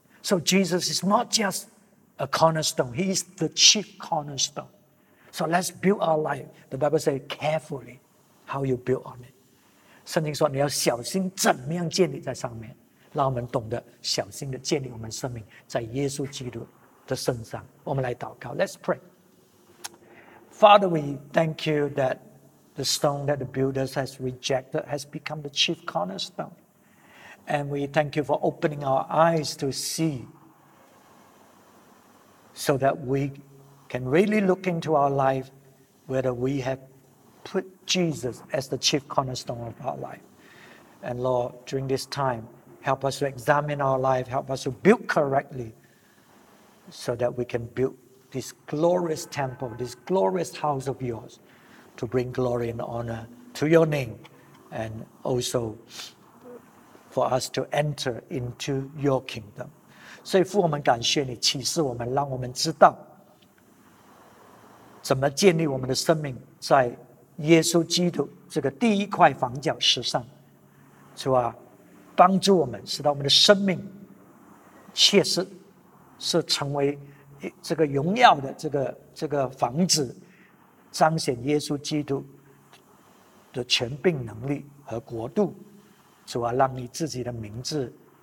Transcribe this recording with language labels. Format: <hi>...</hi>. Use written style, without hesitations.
<en>So Jesus is not just a cornerstone, he is the chief cornerstone. So let's build our life. The Bible says carefully how you build on it.</en> <zh>圣经说你要小心怎么样建立在上面，让我们懂得小心的建立我们生命在耶稣基督的身上。我们来祷告。</zh> <en>Let's pray. Father, we thank you that the stone that the builders has rejected has become the chief cornerstone. And we thank you for opening our eyes to see so that we can really look into our life whether we have put Jesus as the chief cornerstone of our life. And Lord, during this time, help us to examine our life, help us to build correctly so that we can build this glorious temple, this glorious house of yours to bring glory and honor to your name and also for us to enter into your kingdom.</en> <zh>所以父，我们感谢你，启示我们，让我们知道 怎么建立我们的生命在耶稣基督这个第一块房角石上，主啊，帮助我们，使到我们的生命确实是成为这个荣耀的这个房子，彰显耶稣基督的权柄能力和国度。主啊，让你自己的名字</zh>